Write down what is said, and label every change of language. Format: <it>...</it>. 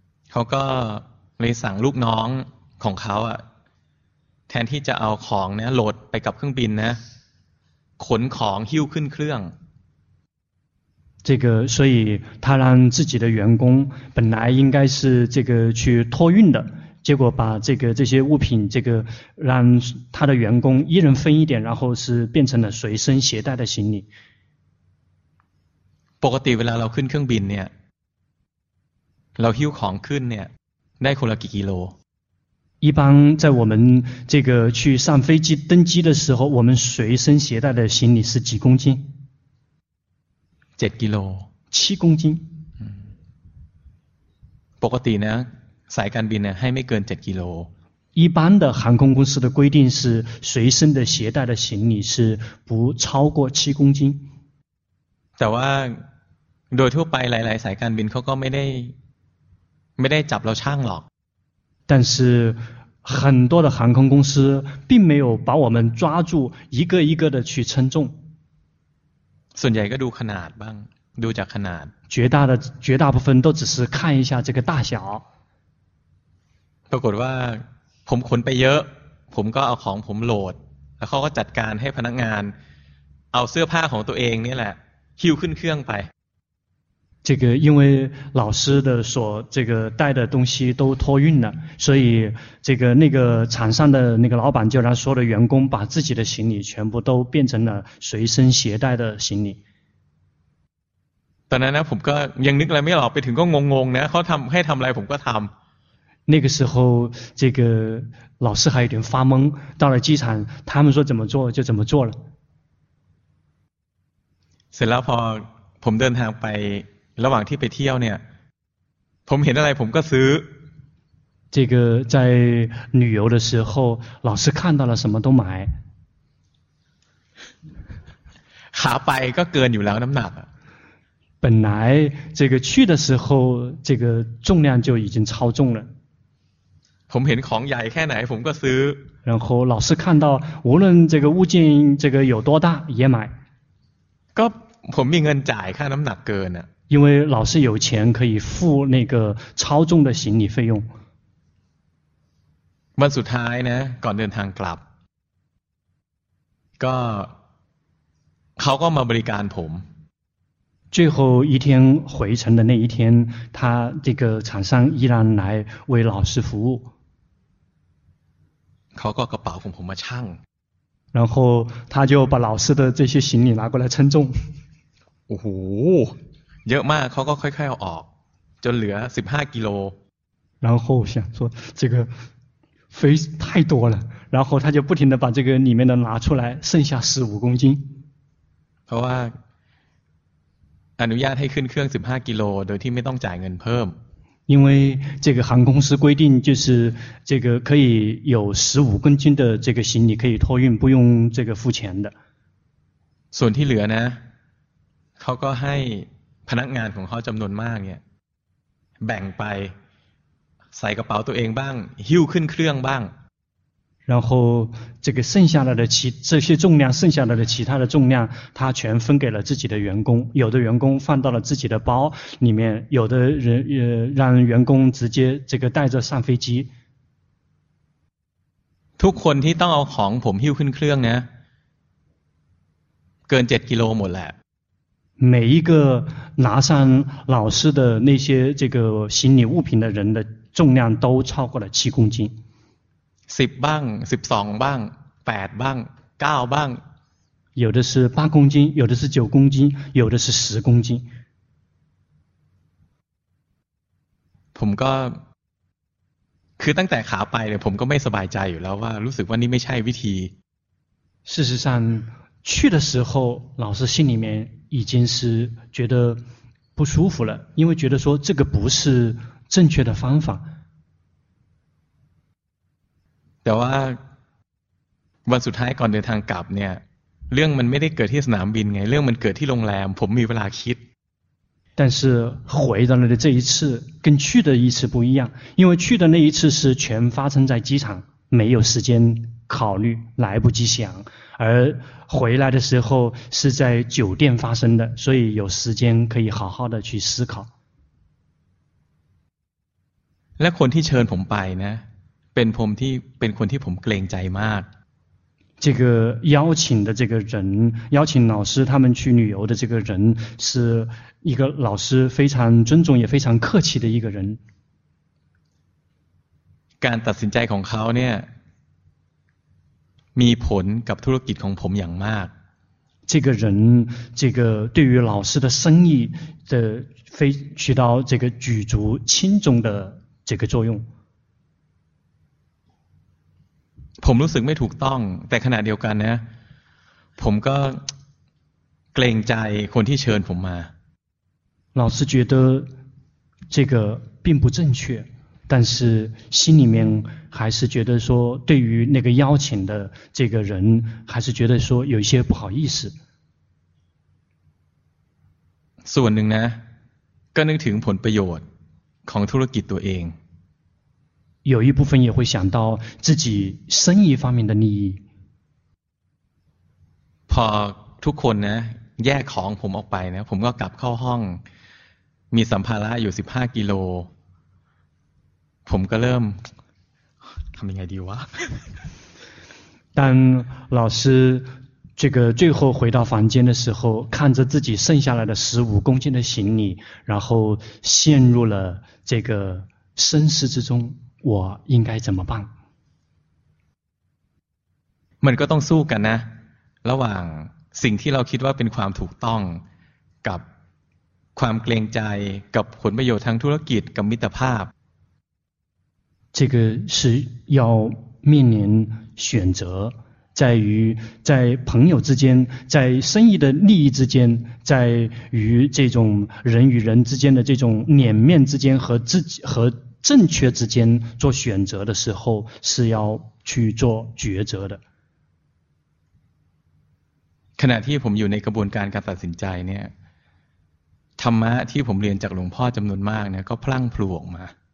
<th>เขาก็เลยสั่งลูกน้องของเขาอะแทนที่จะเอาของเนี่ยโหลดไปกับเครื่องบินนะขนของหิ้วขึ้นเครื่อง</th> <zh>这个所以他让自己的员工本来应该是这个去托运的结果把这个这些物品这个让他的员工一人分一点然后是变成了随身携带的行李</zh> <th>ปกติเวลาเราขึ้นเครื่องบินเนี่ยเราหิ้วของขึ้นเนี่ยได้คนละกี่กิโล</th> <zh>一般在我们这个去上飞机登机的时候我们随身携带的行李是几公斤</zh> <th>7 kg</th> <zh>7公斤</zh> <th>ปกติเนี่ยสายการบินเนี่ยให้ไม่เกิน7 kg</th> <zh>一般的航空公司的规定是随身的携带的行李是不超过7公斤</zh> <th>แต่ว่าโดยทั่วไปหลายๆสายการบินเขาก็ไม่ได้จับเราช่างหรอก แต่</th> <zh>是很多的航空公司并没有把我们抓住一个一个的去称重</zh> <th>ส่วนใหญ่ก็ดูขนาดบ้างดูจากขนาด</th> <zh>绝大部分都只是看一下这个大小</zh> <th>ปรากฏว่าผมขนไปเยอะผมก็เอาของผมโหลดแล้วเขาก็จัดการให้พนักงานเอาเสื้อผ้าของตัวเองนี่แหละหิ้วขึ้นเครื่องไป</th> <zh>这个因为老师的所这个带的东西都托运了所以这个那个厂商的那个老板就让所有的员工把自己的行李全部都变成了随身携带的行李当然呢</zh> <th>ผมก็ยังนึกอะไรไม่ออกไปถึงก็งงๆนะเขาทำให้ทำอะไรผมก็ทำ</th> <zh>那个时候这个老师还有点发懵到了机场他们说怎么做就怎么做了</zh> <th>เสร็จแล้วพอผมเดินทางไประหว่างที่ไปเที่ยวเนี่ยผมเห็นอะไรผมก็ซื้อ</th> <zh>这个在旅游的时候老师看到了什么都买</zh> <th>ขาไปก็เกินอยู่แล้วน้ำหนัก</th> <zh>本来这个去的时候这个重量就已经超重了</zh> <th>ผมเห็นของใหญ่แค่ไหนผมก็ซื้อ</th> <zh>然后老师看到无论这个物件这个有多大也买</zh> <th>ก็ผมมีเงินจ่ายค่าน้ำหนักเกินอะ</th> <zh>因为老师有钱可以付那个超重的行李费用</zh> <th>วันสุดท้ายนะก่อนเดินทางกลับก็เขาก็มาบริการผม</th> <zh>最后一天回程的那一天他这个厂商依然来为老师服务</zh> <th>เขาก็กระเป๋าผมมาชั่ง</th> <zh>然后他就把老师的这些行李拿过来称重</zh> <th>โอ้โหเยอะมากเขาก็ค่อยๆเอาออกจนเหลือ15กิโล</th> <zh>然后想说这个肥太多了然后他就不停的把这个里面的拿出来剩下15公斤</zh> <th>เพราะว่าอนุญาตให้ขึ้นเครื่อง15กิโลโดยที่ไม่ต้องจ่ายเงินเพิ่ม</th> <zh>因为这个航空公司规定就是这个可以有15公斤的这个行李可以托运不用这个付钱的</zh> <th>ส่วนที่เหลือนะเขาก็ให้พนักงานของเขาจำนวนมากเนี่ยแบ่งไปใส่กระเป๋าตัวเองบ้างหิ้วขึ้นเครื่องบ้าง</th> <zh>然后这个剩下来的其这些重量剩下来的其他的重量他全分给了自己的员工，有的员工放到了自己的包里面，有的人让员工直接这个带着上飞机。</zh> <th>ทุกคนที่ต้องเอาของผมหิ้วขึ้นเครื่องเนี่ยเกิน7 กิโลหมดแหละ</th> <zh>每一个拿上老师的那些这个行李物品的人的重量都超过了7公斤</zh> <th>10บ้าง12บ้าง8บ้าง9บ้าง</th> <zh>有的是8公斤有的是9公斤有的是10公斤</zh> <th>ผมก็คือตั้งแต่ขาไปเนี่ยผมก็ไม่สบายใจอยู่แล้วว่ารู้สึกว่านี่ไม่ใช่วิธี</th> <zh>事实上去的时候老师心里面已经是觉得不舒服了因为觉得说这个不是正确的方法</zh> <th>แต่ว่าวันสุดท้ายก่อนเดินทางกลับเนี่ยเรื่องมันไม่ได้เกิดที่สนามบินไงเรื่องมันเกิดที่โรงแรมผมมีเวลาคิด</th> <zh>但是回到了这一次跟去的一次不一样因为去的那一次是全发生在机场没有时间考虑来不及想而回来的时候是在酒店发生的所以有时间可以好好的去思考</zh> <th>และคนที่เชิญผมไปนะเป็นผมที่เป็นคนที่ผมเกรงใจมาก</th> <zh>这个邀请的这个人邀请老师他们去旅游的这个人是一个老师非常尊重也非常客气的一个人</zh> <th>การตัดสินใจของเขาเนี่ยมีผลกับธุรกิจของผมอย่างมาก</th> <zh>这个人这个对于老师的生意的非起到这个举足轻重的这个作用</zh> <th>ผมรู้สึกไม่ถูกต้องแต่ขณะเดียวกันนะผมก็เกรงใจคนที่เชิญผมมา</th> <zh>老师觉得这个并不正确但是心里面还是觉得说对于那个邀请的这个人还是觉得说有一些不好意思</zh> <th>ส่วนหนึ่งนะก็นึกถึงผลประโยชน์ของธุรกิจตัวเอง</th> <zh>有一部分也会想到自己生意方面的利益</zh> <th>พอทุกคนนะแยกของผมออกไปนะผมก็กลับเข้าห้องมีสัมภาระอยู่15 กิโลผมก็เริ่มทำยังไงดีวะ</th> <zh>当老师这个最后回到房间的时候看着自己剩下来的15公斤的行李然后陷入了这个深思之中我应该怎么办</zh> <th>มันก็ต้องสู้กันนะระหว่างสิ่งที่เราคิดว่าเป็นความถูกต้องกับความเกรงใจกับผลประโยชน์ทางธุรกิจกับมิตรภาพ</th> <zh>这个是要面临选择在于在朋友之间在生意的利益之间在于这种人与人之间的这种脸面之间和自己和正确之间做选择的时候是要去做抉择的</zh> <th>ขณะที่ผมอยู่ในกระบวนการการตัดสินใจเนี่ยธรรมะที่ผมเรียนจากหลวงพ่อจำนวนมากเนี่ยก็พลั่งพลูออกมา</th>